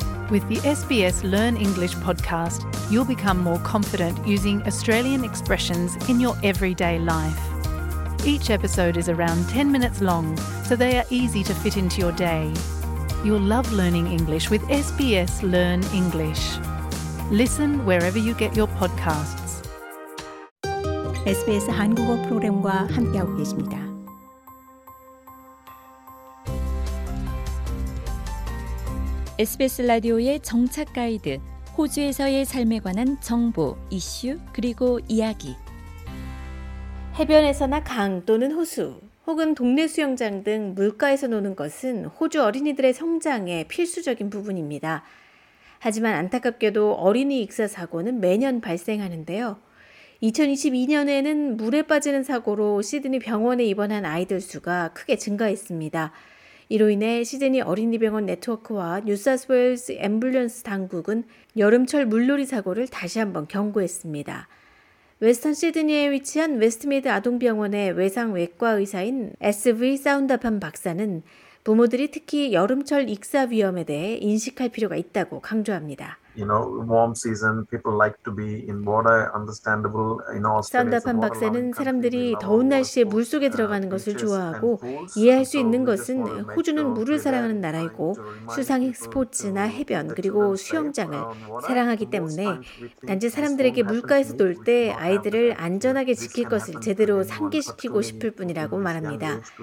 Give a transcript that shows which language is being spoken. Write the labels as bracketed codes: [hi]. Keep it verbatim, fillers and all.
[en] With the S B S Learn English podcast, you'll become more confident using Australian expressions in your everyday life. Each episode is around ten minutes long, so they are easy to fit into your day. You'll love learning English with S B S Learn English. Listen wherever you get your podcasts. [ko] 에스비에스 한국어 프로그램과 함께하고 계십니다. 에스비에스 라디오의 정착 가이드, 호주에서의 삶에 관한 정보, 이슈, 그리고 이야기. 해변에서나 강 또는 호수, 혹은 동네 수영장 등 물가에서 노는 것은 호주 어린이들의 성장에 필수적인 부분입니다. 하지만 안타깝게도 어린이 익사 사고는 매년 발생하는데요. 이천이십이 년에는 물에 빠지는 사고로 시드니 병원에 입원한 아이들 수가 크게 증가했습니다. 이로 인해 시드니 어린이병원 네트워크와 뉴사우스웨일스 앰뷸런스 당국은 여름철 물놀이 사고를 다시 한번 경고했습니다. 웨스턴 시드니에 위치한 웨스트메이드 아동병원의 외상외과 의사인 에스브이 사운다판 박사는 부모들이 특히 여름철 익사 위험에 대해 인식할 필요가 있다고 강조합니다. [en] You know, warm season, people like to be in water, understandable. You know, [ko] 사운다판 박사는 사람들이 더운 날씨에 물속에 들어가는 것을 좋아하고 이해할 수 있는 것은 호주는 물을 사랑하는 나라이고 수상식 스포츠나 해변 그리고 수영장을 사랑하기 때문에 단지 사람들에게 물가에서 놀 때 아이들을 안전하게 지킬 것을 제대로 상기시키고 싶을 뿐이라고 말합니다.